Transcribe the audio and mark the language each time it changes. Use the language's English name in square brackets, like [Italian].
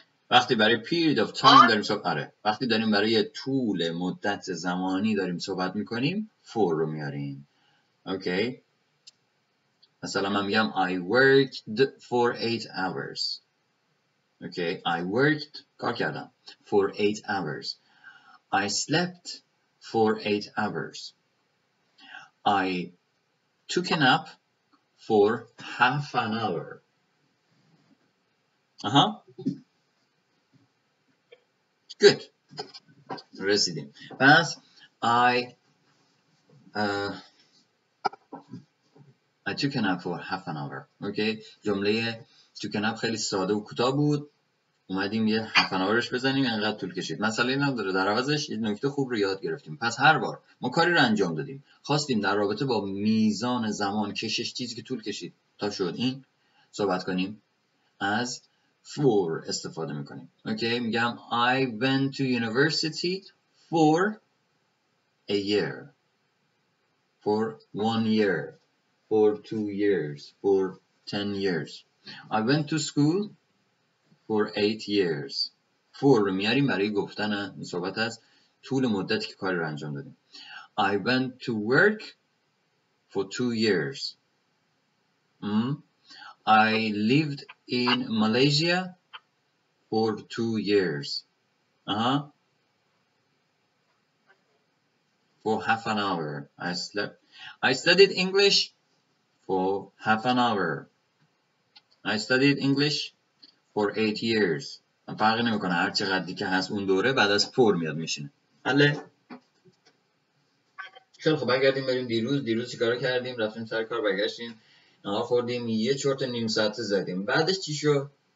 [Persian] وقتی برای [English] period of time [Persian] داریم صحبت آره. وقتی داریم برای طول مدت زمانی داریم صحبت میکنیم four رو میاریم. [English] Okay. [Persian] مثلا من میگم [English] I worked for 8 hours. Okay. I worked [Persian] کار کردم [English] for 8 hours. I slept for 8 hours. I took a nap for half an hour. Good. [Persian] رسیدیم. پس [English] I took a nap for half an hour. Okay. [Persian] جمله [English] took a nap [Persian] خیلی ساده و کوتاه بود. اومدیم یه [English] half an hour [Persian] ش بزنیم اینقدر طول کشید. مسئله این نداره. در عوضش یه نکته خوب رو یاد گرفتیم. پس هر بار ما کاری رو انجام دادیم. خواستیم در رابطه با میزان زمان کشش چیزی که طول کشید تا شد این صحبت کنیم. از for استفاده میکنیم. [English] Okay, [Persian] میگم [English] I went to university for a year. For one year. For two years. For 10 years. I went to school for 8 years. [Persian] For رو میاریم برای گفتن صحبت از طول مدتی که کار رو انجام دادیم. [English] I went to work for 2 years. I lived in Malaysia for 2 years. For half an hour. I studied English for half an hour. I studied English for 8 years. [Persian] فرقی نمی کنه هر چقدری که هست اون دوره بعد از فور میاد میشینه. حله؟ خیلی خب برگردیم بریم دیروز. دیروز چیکار کردیم؟ رفتیم سر کار برگشتیم. نها خوردیم یه چرت نیم ساعت زدیم. بعدش چی شد؟